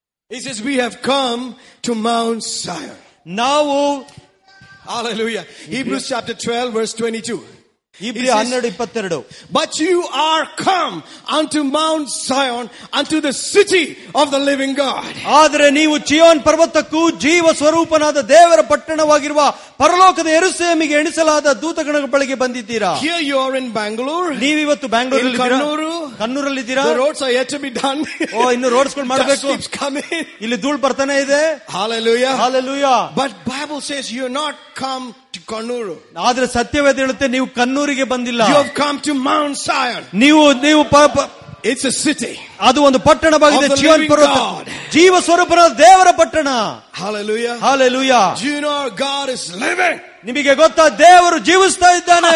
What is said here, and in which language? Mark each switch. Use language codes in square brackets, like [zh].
[en] He says we have come to Mount Zion. [kn] ನಾವು [en] Hallelujah. Hebrews chapter 12 verse 22. [kn] ಹೀಬ್ರಿ 12:22. [en] But you are come unto Mount Zion, unto the city of the living God. [kn] ಆದರೆ ನೀವು ಚಿಯೋನ್ ಪರ್ವತಕ್ಕೂ ಜೀವ ಸ್ವರೂಪನಾದ ದೇವರ ಪಟ್ಟಣವಾಗಿರುವ ಪರಲೋಕದ ಯೆರೂಸಲೇಮಿಗೆ ಎಣಿಸಲಾದ ದೂತಗಣ ಬಳಿಗೆ ಬಂದಿದ್ದೀರಾ. [en] Here you are in Bangalore. [kn] ನೀವು ಇವತ್ತು ಬ್ಯಾಂಗ್ಳೂರಲ್ಲಿ ಇದ್ದೀರಾ. ಕಣ್ಣೂರು ಕಣ್ಣೂರಲ್ಲಿ ಇದ್ದೀರಾ. [en] The roads are yet to be done. [kn] ಓ, ಇನ್ನು ರೋಡ್ಸ್ ಗಳು ಮಾಡಬೇಕು. [en] Dust keeps coming. [kn] ಇಲ್ಲಿ ಧೂಳು ಬರ್ತಾನೆ ಇದೆ. [en] Hallelujah. Hallelujah. But Bible says you are not come to Kannur. [kn] ಆದರೆ ಸತ್ಯವೇದ ಹೇಳುತ್ತೆ ನೀವು ಕಣ್ಣೂರಿಗೆ ಬಂದಿಲ್ಲ. [en] You have come to Mount Zion. [kn] ನೀವು ಪಾಪ [en] It's a city. [kn] ಅದು ಒಂದು ಪಟ್ಟಣವಾಗಿದೆ. ಜೀವನ ಪರ್ವತ ಜೀವ ಸ್ವರೂಪನಾದ ದೇವರ ಪಟ್ಟಣ. [en] Hallelujah. Hallelujah. Do you know God is living? [kn] ನಿಮಗೆ ಗೊತ್ತಾ ದೇವರು ಜೀವಿಸ್ತಾ ಇದ್ದಾನೆ.